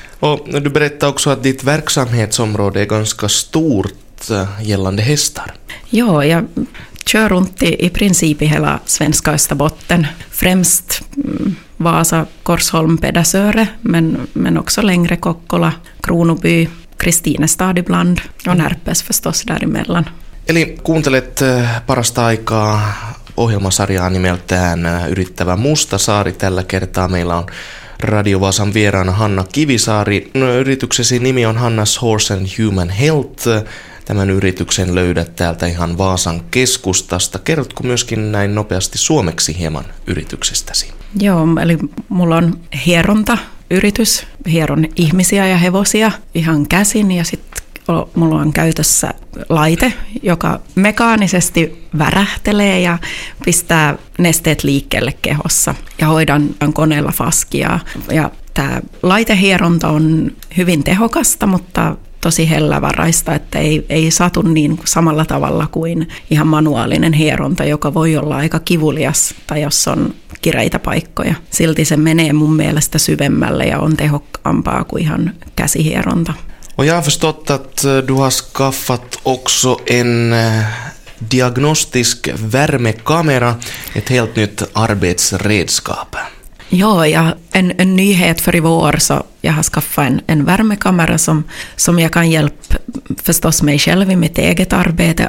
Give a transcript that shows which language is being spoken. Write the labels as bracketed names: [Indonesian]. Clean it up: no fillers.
[Swedish] Och du berättade också att ditt verksamhetsområde är ganska stort gällande hästar. Ja, jag kör runt i princip i hela svenska Österbotten. Främst Vasa, Korsholm, Pedasöre, men också längre Kokkola, Kronoby, Kristinestad ibland och Närpes förstås däremellan. [Finnish] Eli kuuntelet parasta aikaa ohjelmasarjaa nimeltään Yrittävä Mustasaari. Tällä kertaa meillä on Radio Vasan vieraana Hanna Kivisaari. Yrityksesi nimi on Hannas Horse and Human Health. Tämän yrityksen löydät täältä ihan Vaasan keskustasta. Kerrotko myöskin näin nopeasti suomeksi hieman yrityksestäsi? Joo, eli mulla on hieronta yritys. Hieron ihmisiä ja hevosia ihan käsin, ja sitten mulla on käytössä laite, joka mekaanisesti värähtelee ja pistää nesteet liikkeelle kehossa. Ja hoidan koneella faskiaa. Ja tämä laitehieronta on hyvin tehokasta, mutta tosi hellävaraista, että ei satu niin samalla tavalla kuin ihan manuaalinen hieronta, joka voi olla aika kivulias tai jos on kireitä paikkoja. Silti se menee mun mielestä syvemmälle ja on tehokkaampaa kuin ihan käsihieronta. [Swedish] Och jag har förstått att du har skaffat också en diagnostisk värmekamera, ett helt nytt arbetsredskap. Ja, en nyhet för i vår, så jag har skaffat en värmekamera som jag kan hjälpa förstås mig själv i mitt eget arbete.